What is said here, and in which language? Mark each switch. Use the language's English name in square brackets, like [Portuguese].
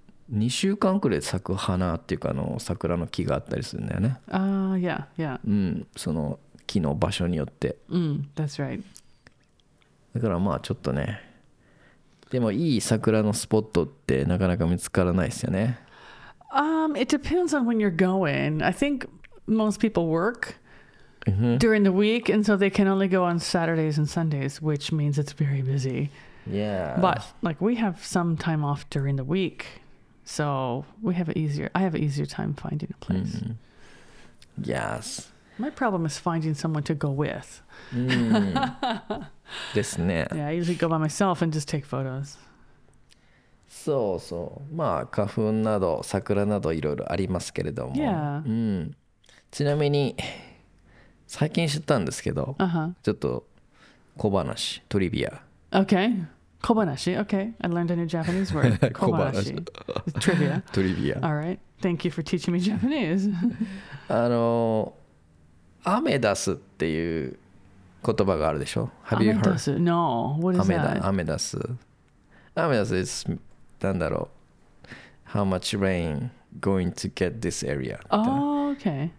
[Japanese] 2週間くらい咲く花っていうか、あの桜の木があったりするんだよね。ああ、yeah, yeah. うん、その木の場所によって。 [English] うん、that's right. [Japanese] だからまあちょっとね、でもいい桜のスポットってなかなか見つからないですよね。 [English] It depends on when you're going. I think most people work during the week, and so they can only go on Saturdays and Sundays, which means it's very busy. Yeah. But like we have some time off during the week, so we have an easier time finding a place. Mm-hmm. Yes. My problem is finding someone to go with. [Japanese] ですね。 [English] Yeah, I usually go by myself and just take photos. [Japanese] そうそう、まあ花粉など桜などいろいろありますけれども、 yeah. うん、ちなみに最近知ったんですけど、 uh-huh. ちょっと小話トリビア。 [English] OK 小話 OK I learned a new Japanese word 小話 Trivia [Japanese] トリビア [English] All right Thank you for teaching me Japanese [Japanese] あのアメダスっていう言葉があるでしょ。 [English] Have you heard? アメダス No What is that? アメダス、アメダス is [Japanese] なんだろう、 [English] How much rain going to get this area? Oh, okay.